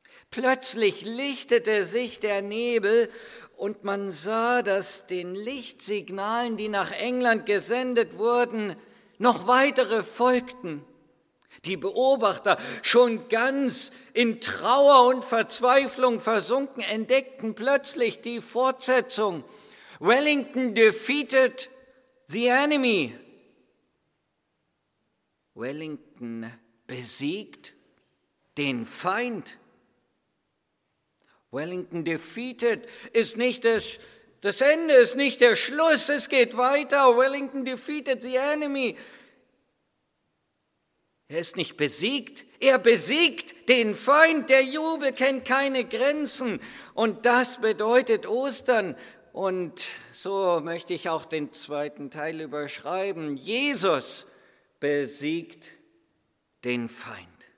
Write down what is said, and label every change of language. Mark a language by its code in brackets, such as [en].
[de] Plötzlich lichtete sich der Nebel und man sah, dass den Lichtsignalen, die nach England gesendet wurden, noch weitere folgten. Die Beobachter, schon ganz in Trauer und Verzweiflung versunken, entdeckten plötzlich die Fortsetzung. [en] Wellington defeated the enemy. [de] Wellington besiegt den Feind. Wellington defeated ist nicht das Ende, ist nicht der Schluss, es geht weiter. [en] Wellington defeated the enemy. [de] Er ist nicht besiegt, er besiegt den Feind. Der Jubel kennt keine Grenzen und das bedeutet Ostern. Und so möchte ich auch den zweiten Teil überschreiben. Jesus besiegt den Feind.